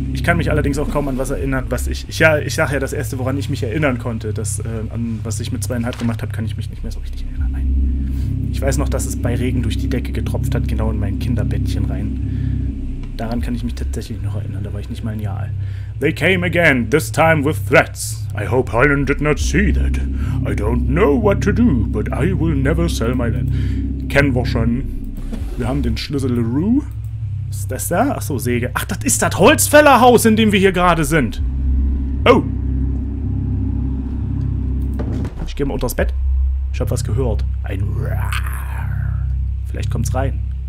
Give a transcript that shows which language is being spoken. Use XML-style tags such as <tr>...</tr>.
<de>Ich kann mich allerdings auch kaum an was erinnern, was ich sage ja, das Erste, woran ich mich erinnern konnte, das, an was ich mit 2,5 gemacht habe, kann ich mich nicht mehr so richtig erinnern. Nein. Ich weiß noch, dass es bei Regen durch die Decke getropft hat, genau in mein Kinderbettchen rein. Daran kann ich mich tatsächlich noch erinnern, da war ich nicht mal ein Jahr alt.</de> <en>They came again, this time with threats. I hope Holland did not see that. I don't know what to do, but I will never sell my land.</en> <de>Kennen wir schon. Wir haben den Schlüssel LaRue. Ist das da? Achso, Säge. Ach, das ist das Holzfällerhaus, in dem wir hier gerade sind. Oh. Ich gehe mal unter das Bett. Ich habe was gehört. Ein Rrrr. Vielleicht kommt's rein.</de>